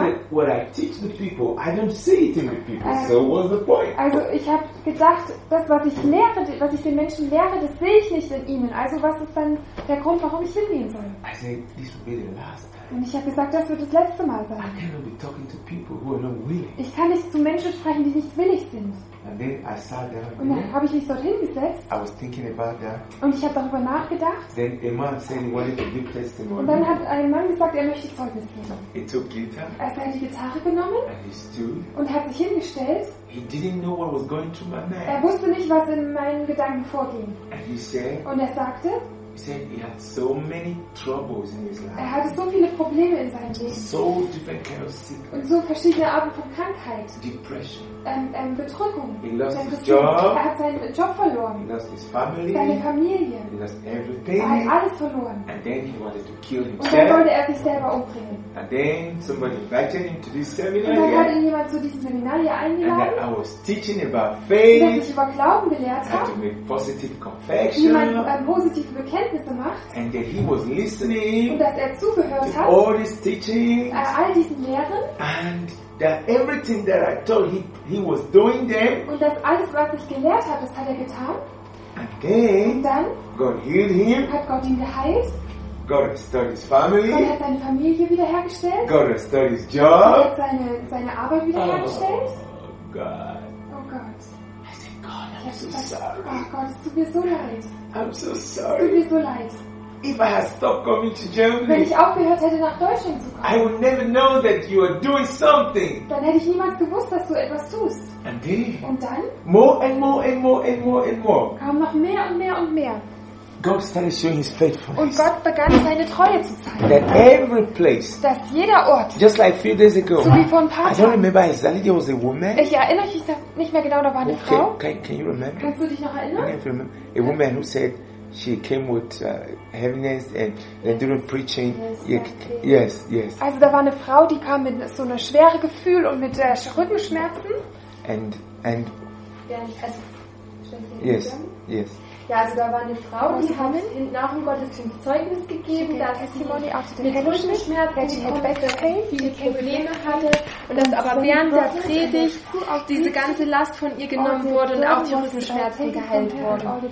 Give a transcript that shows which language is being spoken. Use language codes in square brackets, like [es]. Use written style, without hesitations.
[en] that what I teach the people, I don't see it in the people. So what's the point? [de] Also ich habe gedacht, das was ich lehre, was ich den Menschen lehre, das sehe ich nicht in ihnen. Also was ist dann der Grund, warum ich hingehen soll? [en] I said, this will be the last time. [de] Und ich habe gesagt, das wird das letzte Mal sein. [en] I cannot be talking to people who are not willing. [de] Ich kann nicht zu Menschen sprechen, die nicht willig sind. [en] And then I sat there. [de] Und dann habe ich mich dorthin gesetzt. [en] I was thinking about that. [de] Und ich habe darüber nachgedacht. [en] Then a man said he wanted to give testimony. [de] Und dann hat ein Mann gesagt, er möchte Zeugnis geben. [en] He took guitar. [de] Er hat die Gitarre genommen. [en] And he stood. [de] Und hat sich hingestellt. [en] He didn't know what was going through my mind. [de] Er wusste nicht, was in meinen Gedanken vorging. [en] And he said, [de] und er sagte, [en] he said he had so many troubles in his life. [de] Er hatte so viele Probleme in seinem Leben. [en] So different kinds of sickness. [de] Und so verschiedene Arten von Krankheit. [en] Depression. [de] Bedrückung. [en] He lost his job. [de] Er hat seinen Job verloren. [en] He lost his family. [de] Seine Familie. [en] He lost everything. [de] Er hat alles verloren. [en] And then he wanted to kill himself. [de] Und dann wollte er sich selber umbringen. [en] And then somebody invited him to this seminar. [de] Und dann hat ihn jemand zu diesem Seminar hier eingeladen. [en] And I was teaching about faith. [de] Und ich über Glauben gelehrt habe. [en] To make positive confession. [de] Wie man positive Bekenntnisse macht. [en] And that he was listening. [de] Und dass er zugehört hat. [en] All these teachings. [de] All diesen Lehren. [en] And that everything that I told him, he was doing them. [de] Und das alles, was ich gelehrt habe, das hat er getan. [en] And then, [de] und dann, [en] God healed him. [de] Hat Gott ihn geheilt. [en] God restored his family. [de] Gott hat seine Familie wiederhergestellt. [en] God restored his job. [de] Und hat seine Arbeit wiederhergestellt. [en] Oh God. [de] Oh Gott. [en] I said, God, I'm so sorry. [de] Oh Gott, es tut mir so leid. [en] I'm so sorry. [de] Es tut mir so leid. [en] If I had stopped coming to Germany, [de] wenn ich aufgehört hätte, nach Deutschland zu kommen, [en] I would never know that you are doing something. [de] Dann hätte ich niemals gewusst, dass du etwas tust. [en] And then, [de] und dann? [en] More and more and more and more and more. [de] Kam noch mehr und mehr und mehr. [en] God started showing his faithfulness. [de] Und Gott begann seine Treue zu zeigen. [en] That every place. [de] Dass jeder Ort. [en] Just like a few days ago. [de] So wie vor ein paar [en] Tagen. I don't remember exactly. There was a woman. [de] Ich erinnere mich nicht mehr genau. Da war eine Frau. [en] Can you remember? [de] Kannst du dich noch erinnern? [en] Can you remember? A woman who said she came with heaviness and during preaching. Yes, yes. [de] Also da war eine Frau, die kam mit so einer schwere Gefühl und mit Rückenschmerzen. [en] And. Yes. [de] Ja, also da war eine Frau, die hat nach dem Gottesdienst Zeugnis gegeben, dass sie mit Rückenschmerzen viele Probleme hatte und dass aber während der Predigt auch diese ganze Last von ihr genommen wurde und auch die Rückenschmerzen geheilt wurden.